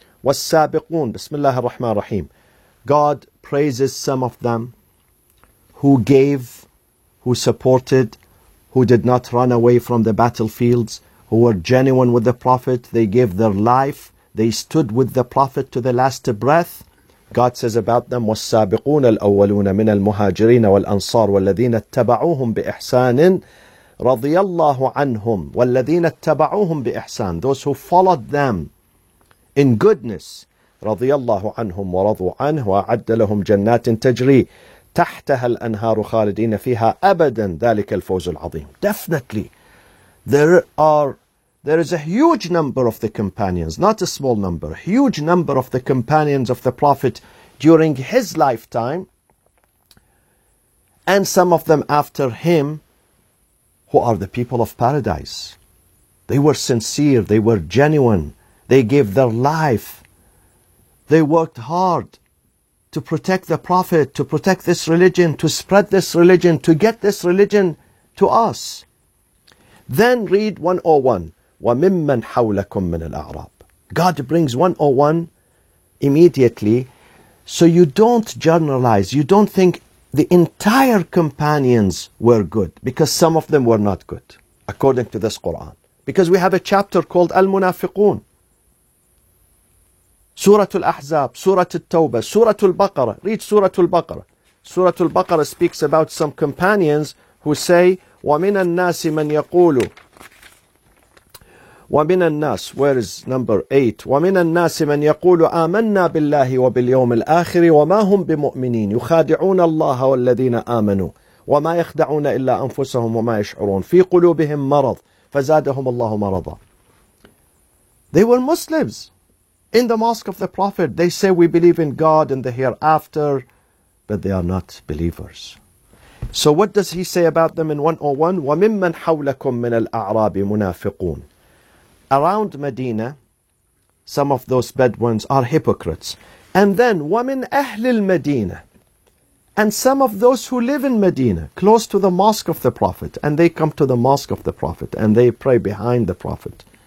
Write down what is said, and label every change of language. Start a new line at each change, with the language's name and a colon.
Arabic: والسابقون بسم الله الرحمن الرحيم
English: God praises some of them who gave, who supported, who did not run away from the battlefields, who were genuine with the Prophet, they gave their life, they stood with the Prophet to the last breath.
Arabic: God says about them والسابقون الأولون من المهاجرين والأنصار والذين اتبعوهم بإحسان رضي الله عنهم والذين اتبعوهم بإحسان
English: Those who followed them In goodness,
Arabic: رضي الله عنهم ورضوا عنه وأعد لهم جنات تجري تحتها الأنهار خالدين فيها أبدا ذلك الفوز العظيم.
English: Definitely, there is a huge number of the companions, not a small number, huge number of the companions of the Prophet during his lifetime, and some of them after him, who are the people of paradise. They were sincere, they were genuine. They gave their life. They worked hard to protect the Prophet, to protect this religion, to spread this religion, to get this religion to us. Then read 101.
Arabic: وَمِمَّنْ حَوْلَكُمْ مِنَ الْأَعْرَابِ
English: God brings 101 immediately. So you don't generalize. You don't think the entire companions were good because some of them were not good, according to this Quran. Because we have a chapter called Al-Munafiqun.
Arabic: سورة الأحزاب سورة التوبة سورة البقرة read سورة البقرة سورة البقرة speaks about some companions who say وَمِنَ النَّاسِ مَنْ يَقُولُ وَمِنَ النَّاسِ
English: where is number 8
Arabic: وَمِنَ النَّاسِ مَنْ يَقُولُ آمَنَّا بِاللَّهِ وَبِالْيَوْمِ الْآخِرِ وَمَا هُمْ بِمُؤْمِنِينَ يُخَادِعُونَ اللَّهَ وَالَّذِينَ آمَنُوا وَمَا يَخْدَعُونَ إِلَّا أَنفُسَهُمْ وَمَا يَشْعُرُونَ فِي قُلُوبِهِمْ مَرَضٌ فَزَادَهُمُ اللَّهُ مَرَضًا
English: They were Muslims In the mosque of the Prophet, they say we believe in God and the hereafter, but they are not believers. So what does he say about them in 101?
Arabic: وَمِمَّنْ حَوْلَكُمْ مِنَ الْأَعْرَابِ مُنَافِقُونَ
English: Around Medina, some of those Bedouins are hypocrites. And then,
Arabic: وَمِنْ أَهْلِ الْمَدِينَ
English: And some of those who live in Medina, close to the mosque of the Prophet, and they come to the mosque of the Prophet, and they pray behind the Prophet.